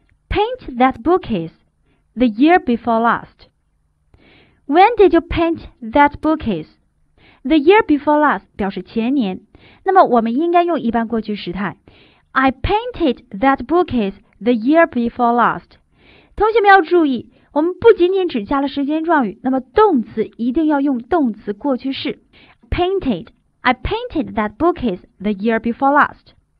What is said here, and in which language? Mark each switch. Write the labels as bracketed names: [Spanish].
[English] Paint that bookcaseThe year before last. When did you paint that bookcase? The year before last [Chinese] 表示前年，那么我们应该用一般过去时态。 [English] I painted that bookcase the year before last. [Chinese] 同学们要注意，我们不仅仅只加了时间状语，那么动词一定要用动词过去式。 [English] Painted. I painted that bookcase the year before last.